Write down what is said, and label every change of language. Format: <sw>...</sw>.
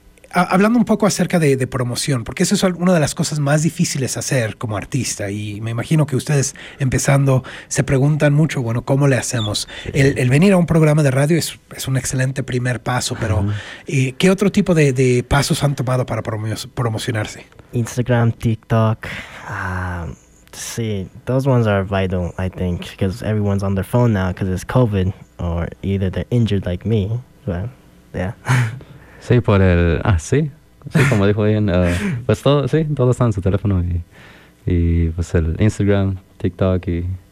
<es>hablando un poco acerca de promoción, porque eso es una de las cosas más difíciles hacer como artista, y me imagino que ustedes empezando se preguntan mucho, bueno, ¿cómo le hacemos? El venir a un programa de radio es un excelente primer paso, pero ¿qué otro tipo de pasos han tomado para promocionarse?</es> <en>Instagram, TikTok, sí, those ones are vital, I think, because everyone's on their phone now because it's COVID, or either they're injured like me, but yeah.</en> <es>Sí, por el... Sí, como dijo Ian. Pues todo, sí, todo está en su teléfono. Y pues el Instagram, TikTok y...</es>